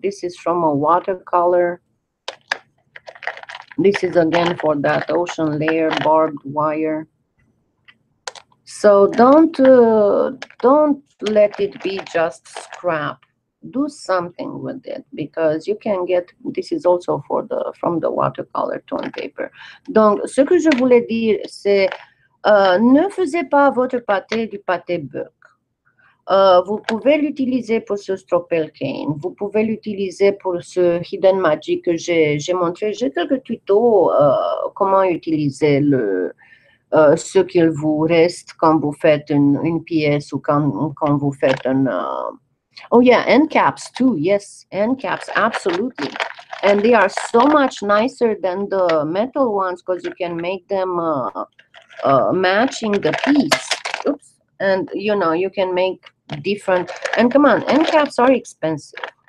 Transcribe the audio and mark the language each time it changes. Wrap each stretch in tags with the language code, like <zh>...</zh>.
<en>This is from a watercolor. This is again for that ocean layer barbed wire. So don't let it be just scrap. Do something with it, because you can get, this is also for the from the watercolor tone paper.</en> <fr>Donc, ce que je voulais dire, c'est ne faisez pas votre pâté du pâté bœuf. Vous pouvez l'utiliser pour ce stropel cane. Vous pouvez l'utiliser pour ce hidden magic que j'ai montré. J'ai quelques tutos comment utiliser le ce qu'il vous reste quand vous faites une pièce ou quand vous faites un...</fr> <en>Oh yeah, end caps too. Yes, end caps, absolutely. And they are so much nicer than the metal ones because you can make them matching the piece. Oops. And, you know, you can make different... And come on, end caps are expensive.</en>